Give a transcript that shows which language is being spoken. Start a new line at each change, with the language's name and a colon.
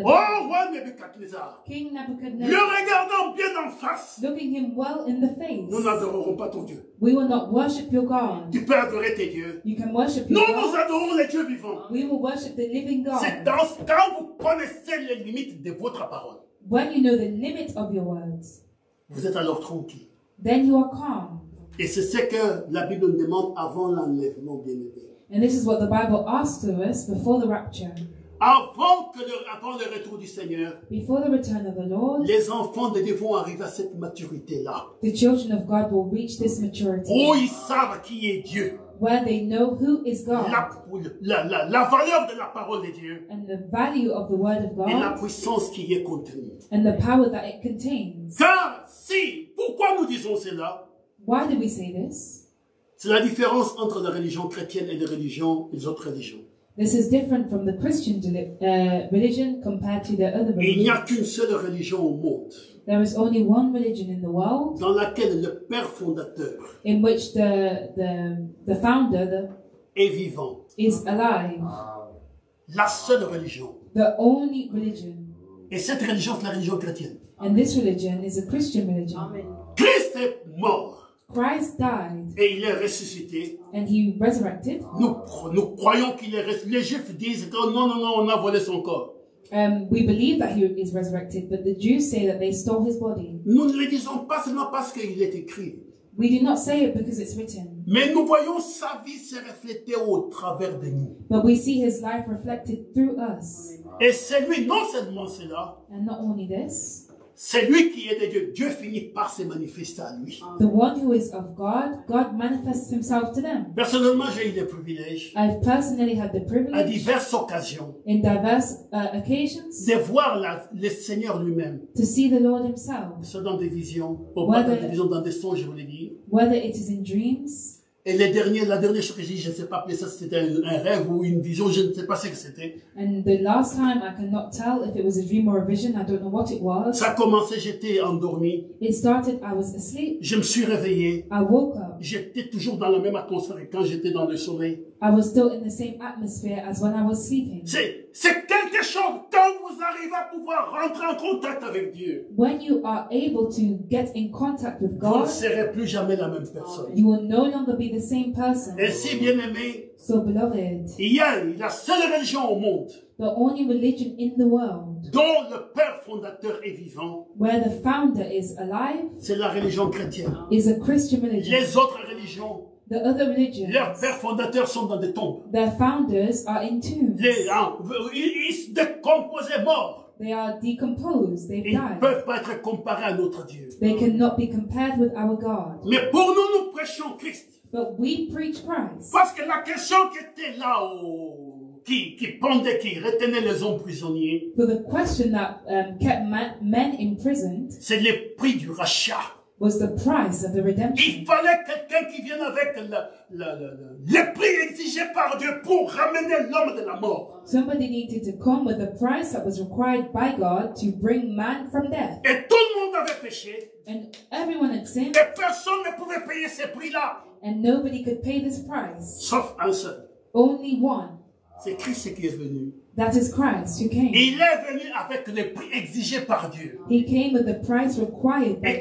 French: Abednego. Oh, roi Nebuchadnezzar.
English: King Nebuchadnezzar.
French: Le regardant bien en face.
English: Looking him well in the face.
French: Nous n'adorerons pas ton Dieu.
English: We will not worship your God.
French: Tu peux adorer tes dieux.
English: You can worship
French: nous
English: your God.
French: Nous adorons les dieux vivants.
English: We will worship the living God.
French: C'est dans quand vous connaissez les limites de votre parole.
English: When you know the limit of your words.
French: Vous êtes alors tranquille.
English: Then you are calm.
French: Et c'est ce que la Bible nous demande avant l'enlèvement, bien-aimé.
English: And this is what the Bible asks of us before the rapture.
French: Avant le retour du Seigneur,
English: before the return of the Lord,
French: les enfants de Dieu vont arriver à cette maturité-là.
English: The children of God will reach this maturity.
French: Où ils savent qui est Dieu.
English: Where they know who is God.
French: La valeur de la parole de Dieu.
English: And the value of the word of God.
French: Et la puissance qui y est contenue.
English: And the power that it contains.
French: Car si, pourquoi nous disons cela?
English: Why do we say this?
French: C'est la différence entre la religion chrétienne et les autres religions.
English: This is different from the Christian religion compared to the other religions.
French: Il n'y a qu'une seule religion au monde.
English: There is only one religion in the world.
French: Dans laquelle le père fondateur.
English: In which the founder the
French: est vivant.
English: Is alive.
French: La seule religion.
English: The only religion.
French: Et cette religion c'est la religion chrétienne.
English: And this religion is a Christian religion. Amen.
French: Christ est mort.
English: Christ died.
French: Et il est ressuscité.
English: And he resurrected.
French: Nous croyons qu'il est ressuscité. Les Juifs disent oh, non, on a volé son corps.
English: We believe that he is resurrected, but the Jews say that they stole his body.
French: Nous ne le disons pas seulement parce qu'il est écrit.
English: We do not say it because it's written.
French: Mais nous voyons sa vie se refléter au travers de nous.
English: But we see his life reflected through us.
French: Et c'est lui, non seulement cela.
English: And not only this.
French: C'est lui qui est de Dieu. Dieu finit par se manifester à lui.
English: The one who is of God, God manifests himself to them.
French: Personnellement, j'ai eu le privilège.
English: I've personally had the privilege.
French: À diverses occasions.
English: In diverse occasions.
French: De voir le Seigneur lui-même.
English: To see the Lord himself.
French: Soit dans des visions, ou pas dans des visions, dans des songes, je voulais dire.
English: Whether it is in dreams.
French: Et les derniers, la dernière chose que j'ai dit, je ne sais pas, mais ça c'était un rêve ou une vision, je ne sais pas ce que c'était.
English: And the last time, I cannot tell if it was a dream or a vision, I don't know what it was.
French: Ça a commencé, j'étais endormi.
English: It started, I was asleep.
French: Je me suis réveillé.
English: I woke up.
French: J'étais toujours dans la même atmosphère quand j'étais dans le sommeil.
English: I was still in the same atmosphere as when I was sleeping.
French: C'est quelque chose, quand vous arrivez à pouvoir rentrer en contact avec Dieu.
English: When you are able to get in contact with God.
French: Vous ne serez plus jamais la même personne.
English: You will no longer be the same person.
French: Et si bien aimé.
English: So beloved.
French: La seule religion au monde.
English: The only religion in the world.
French: Dont le père fondateur est vivant.
English: Where the founder is alive.
French: C'est la religion chrétienne.
English: Is a Christian religion.
French: Les autres religions.
English: The other religions,
French: leurs pères fondateurs sont dans des tombes.
English: Their founders are in tombs.
French: Ils se décomposaient morts.
English: They are decomposed. They've
French: ils
English: died.
French: Ils ne peuvent pas être comparés à notre Dieu.
English: They cannot be compared with our God.
French: Mais pour nous, nous prêchons Christ.
English: But we preach Christ.
French: Parce que la question qui était là-haut, qui pendait, qui retenait les hommes prisonniers.
English: For the question that kept men imprisoned.
French: C'est le prix du rachat.
English: Was the price of the redemption.
French: Il fallait quelqu'un qui vienne avec le prix exigé par Dieu pour ramener l'homme de la mort.
English: Somebody needed to come with the price that was required by God to bring man from death.
French: Et tout le monde avait péché.
English: And everyone had sinned.
French: Et personne ne pouvait payer ce prix-là.
English: And nobody could pay this price.
French: Sauf un seul.
English: Only one.
French: C'est Christ qui est venu.
English: That is Christ who came.
French: Il est venu avec le prix exigé par Dieu.
English: He came with the price required by
French: et